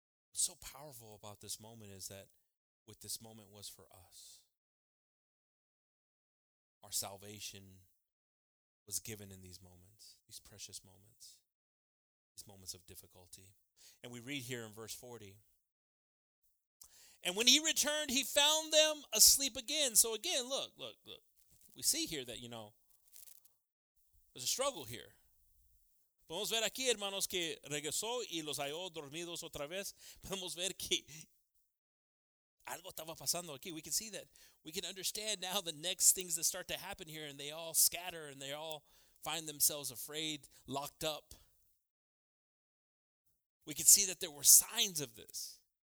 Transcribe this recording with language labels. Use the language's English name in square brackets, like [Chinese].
[English] What's so powerful about this moment is that what this moment was for us, our salvation was given in these moments, these precious moments, these moments of difficulty. And we read here in verse 40, and when he returned, he found them asleep again. So again, look, we see here that, you know, there's a struggle here. [Spanish] Podemos ver aquí, hermanos, que regresó y los halló dormidos otra vez. Podemos ver que algo estaba pasando aquí. [English] We can see that. We can understand now the next things that start to happen here, and they all scatter and they all find themselves afraid, locked up. We can see that there were signs of this.